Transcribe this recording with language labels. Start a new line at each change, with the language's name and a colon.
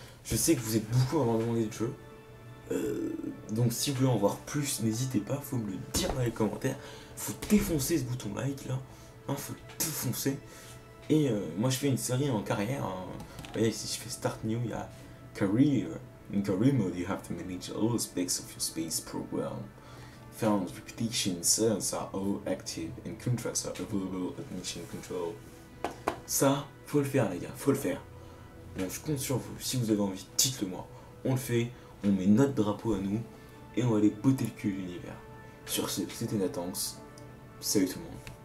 French: Je sais que vous êtes beaucoup à m'en demander de jeu. Donc si vous voulez en voir plus, n'hésitez pas, faut me le dire dans les commentaires. Faut défoncer ce bouton like là. Hein, faut le défoncer. Et moi je fais une série en carrière. Hein. Vous voyez, si je fais Start New, il y a Career.
English: In Career Mode, you have to manage all aspects of your space program. Found reputation cells are all active and contracts are available at mission control.
French: Ça, faut le faire les gars, faut le faire. Bon, je compte sur vous, si vous avez envie, dites-le moi. On le fait, on met notre drapeau à nous, et on va aller botter le cul de l'univers. Sur ce, c'était Natanx. Salut tout le monde.